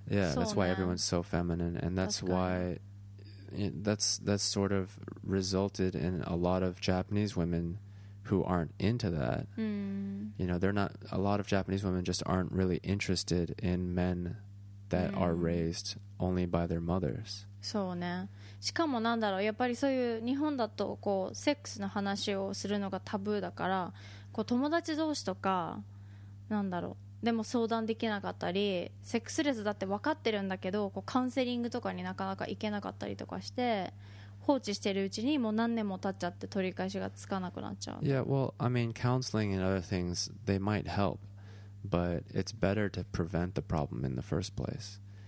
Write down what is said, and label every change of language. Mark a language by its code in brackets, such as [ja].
[en] Yeah, that's why everyone's so feminine, and that's why that's sort of resulted in a lot of Japanese women who aren't into that. Mm. You know, they're not, a lot of Japanese women just aren't really interested in men that are raised only by their mothers. [ja] そうね。しかもなんだろう、やっぱりそういう日本だとこうセックスの話をするのがタブーだから、こう友達同士とかなんだろう、でも相談できなかったり、セックスレスだって分かってるんだけど、こうカウンセリングとかになかなか行けなかったりとかして、放置してるうちにもう何年も経っちゃって取り返しがつかなくなっちゃう。 [en] Yeah, well, I mean, counseling and other things, they might help, but it's better to prevent the problem in the first place.